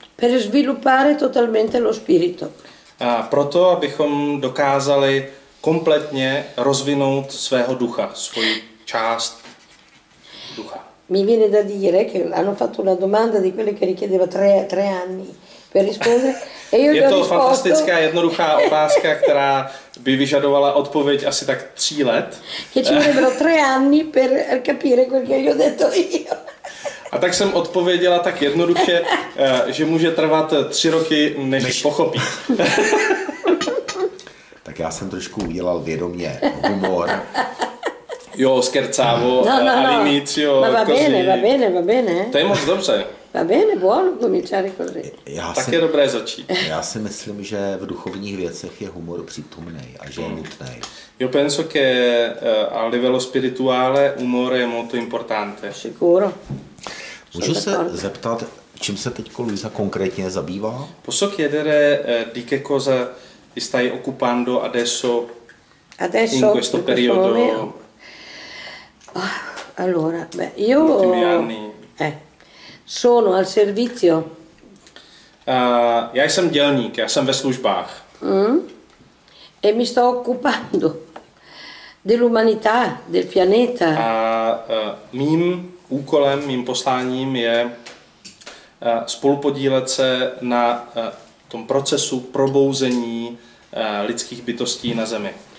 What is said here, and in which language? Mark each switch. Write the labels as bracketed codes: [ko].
[it] Per sviluppare totalmente lo spirito. [cs] Proto, abychom dokázali kompletně rozvinout svého ducha, svou část ducha. [it] Mi viene da dire che hanno fatto una domanda di quelle che richiedeva tre anni per rispondere. E io [cs] je to fantastická, jednoduchá otázka, která by vyžadovala odpověď asi tak 3 let. [it] Che ci vorrebbero 3 anni per capire quel che ho detto io. [cs] A tak jsem odpověděla tak jednoduše, že může trvat 3 roky, než pochopí. Tak já jsem trošku udělal vědomě humor. [it] Jo, scherzavo, all'inizio. Ma va bene, va bene, va bene. [cs] To je moc dobře. [it] Va bene, buono cominciare così. [cs] Tak je dobré začít. Já si myslím, že v duchovních věcech je humor přítomný a že je nutný. [it] Io penso che a livello spirituale umore è molto importante. Sicuro. [cs] Můžu se zeptat, čím se teď Luisa konkrétně zabývá? [it] Posso chiedere di che cosa ti stai occupando adesso in questo periodo? Allora, beh, io sono al servizio. [cs] Já jsem dělník, já jsem ve službách. [it] E mi sto occupando dell'umanità, del pianeta. [cs] A mým úkolem, mým posláním je spolupodílet se na tom procesu probouzení lidských bytostí na Zemi.